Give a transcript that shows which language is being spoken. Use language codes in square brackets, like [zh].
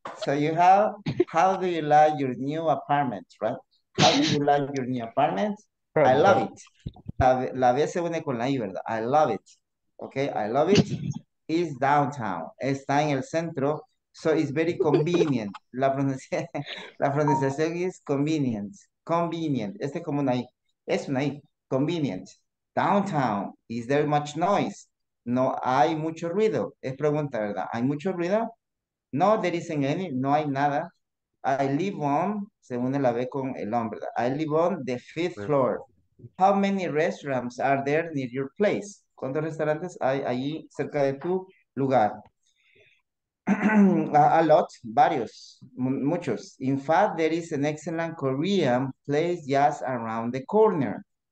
[en] So you have, how do you like your new apartment, right? How do you like your new apartment? I love it. [es] La vez se une con la I, ¿verdad? [en] I love it. Okay. I love it. It's downtown. [es] Está en el centro. [en] So it's very convenient. [es] La pronunciación is convenient. Convenient. Este es como una I. Es una I. Convenient. Downtown. [en] Is there much noise? [es] No hay mucho ruido. Es pregunta, ¿verdad? ¿Hay mucho ruido? [en] No, there isn't any. [es] No hay nada. [en] I live on, [es] se une la B con el hombre. [en] I live on the fifth floor. How many restaurants are there near your place? [es] ¿Cuántos restaurantes hay allí cerca de tu lugar? [en] A lot, [es] varios, muchos. [en] In fact, there is an excellent Korean place just around the corner.